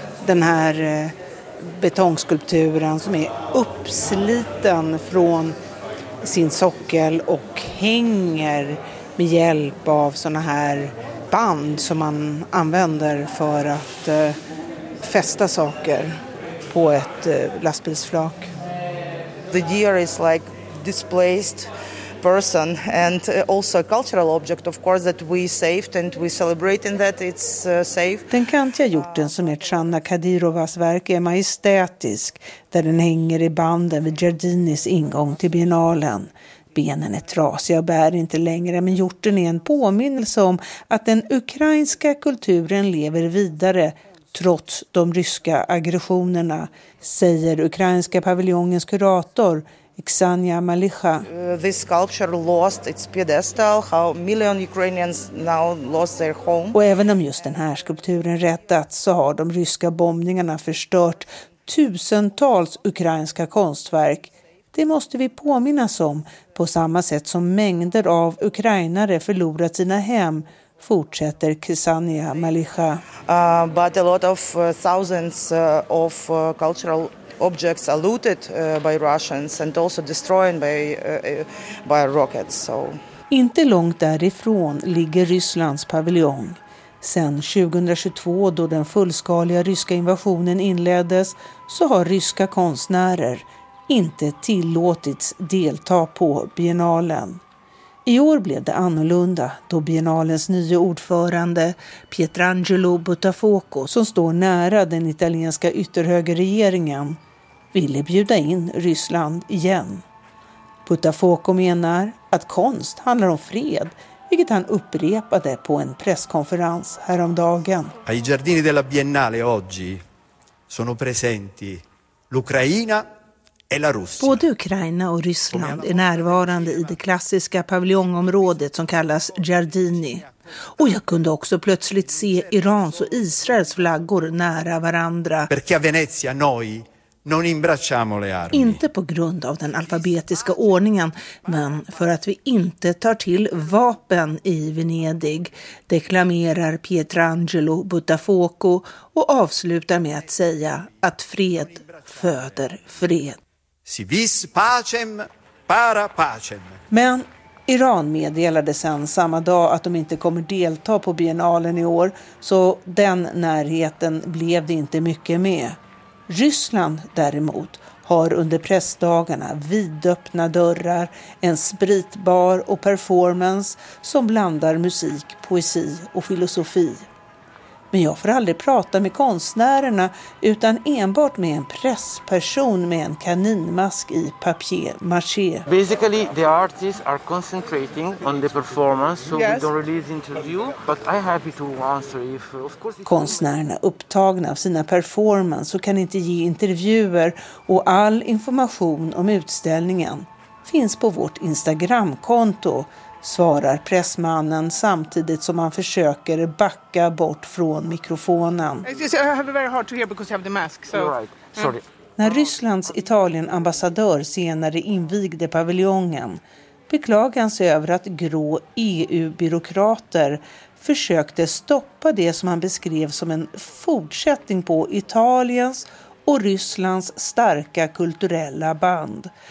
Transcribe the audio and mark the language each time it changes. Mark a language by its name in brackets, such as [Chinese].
[Swedish] den här betongskulpturen som är uppsliten från sin sockel och hänger med hjälp av såna här band som man använder för att fästa saker på ett lastbilsflak. [English] The gear is like displaced person and also a cultural object of course that we saved and we celebrate in that it's safe. [Swedish] Den kantiga hjorten som är Tranna Kadirovas verk är majestätisk där den hänger i banden vid Giardinis ingång till biennalen. Benen är trasiga och bär inte längre, men hjorten är en påminnelse om att den ukrainska kulturen lever vidare trots de ryska aggressionerna, säger ukrainska paviljongens kurator Xania Malicha. [English] This sculpture lost its pedestal, how million Ukrainians now lost their home. [Swedish] Och även om just den här skulpturen räddats så har de ryska bombningarna förstört tusentals ukrainska konstverk. Det måste vi påminnas om, på samma sätt som mängder av ukrainare förlorat sina hem, fortsätter Ksenia Malicha. [English] But a lot of thousands of cultural objects are looted by Russians and also destroyed by rockets. So. [Swedish] Inte långt därifrån ligger Rysslands paviljong. Sen 2022, då den fullskaliga ryska invasionen inleddes, så har ryska konstnärer inte tillåtits delta på biennalen. I år blev det annorlunda då biennalens nya ordförande Pietrangelo Buttafuoco, som står nära den italienska ytterhögerregeringen, ville bjuda in Ryssland igen. Buttafuoco menar att konst handlar om fred, vilket han upprepade på en presskonferens häromdagen. [Italian] Ai giardini della Biennale oggi sono presenti l'Ucraina. [Swedish] Både Ukraina och Ryssland är närvarande i det klassiska paviljongområdet som kallas Giardini. Och jag kunde också plötsligt se Irans och Israels flaggor nära varandra. [Italian] Perché a Venezia noi non imbracciamo le armi. [Swedish] Inte på grund av den alfabetiska ordningen, men för att vi inte tar till vapen i Venedig, deklamerar Pietrangelo Buttafuoco och avslutar med att säga att fred föder fred. [Latin] Civis pacem para pacem. [Swedish] Men Iran meddelade sen samma dag att de inte kommer delta på biennalen i år, så den närheten blev det inte mycket med. Ryssland däremot har under pressdagarna vidöppna dörrar, en spritbar och performance som blandar musik, poesi och filosofi. Men jag får aldrig prata med konstnärerna utan enbart med en pressperson med en kaninmask i papier-mâché. [English] Basically the artists are concentrating on the performance so yes. We don't release interview but I'm happy to answer if of course. [Swedish] Konstnärerna upptagna av sina performance och kan inte ge intervjuer, och all information om utställningen finns på vårt Instagram-konto, svarar pressmannen samtidigt som han försöker backa bort från mikrofonen. [English] I have a very hard to hear because I have the mask. So. Right. Sorry. [Swedish] När Rysslands Italien-ambassadör senare invigde paviljongen beklagade han sig över att grå EU-byråkrater försökte stoppa det som han beskrev som en fortsättning på Italiens och Rysslands starka kulturella band.